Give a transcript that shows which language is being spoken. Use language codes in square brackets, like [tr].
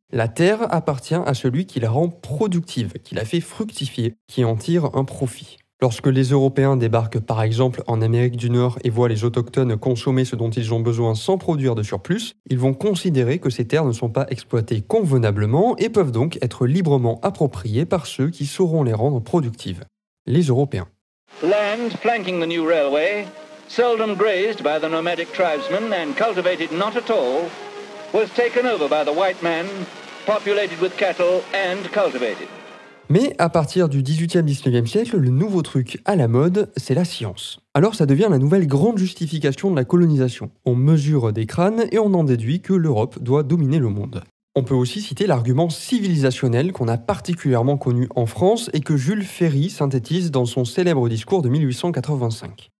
[fr] La terre appartient à celui qui la rend productive, qui la fait fructifier, qui en tire un profit. Lorsque les Européens débarquent par exemple en Amérique du Nord et voient les autochtones consommer ce dont ils ont besoin sans produire de surplus, ils vont considérer que ces terres ne sont pas exploitées convenablement et peuvent donc être librement appropriées par ceux qui sauront les rendre productives. Les Européens. [en] Land flanking the new railway, seldom grazed by the nomadic tribesmen and cultivated not at all, was taken over by the white man, populated with cattle and cultivated. [fr] Mais à partir du 18e-19e siècle, le nouveau truc à la mode, c'est la science. Alors ça devient la nouvelle grande justification de la colonisation. On mesure des crânes et on en déduit que l'Europe doit dominer le monde. On peut aussi citer l'argument civilisationnel qu'on a particulièrement connu en France et que Jules Ferry synthétise dans son célèbre discours de 1885.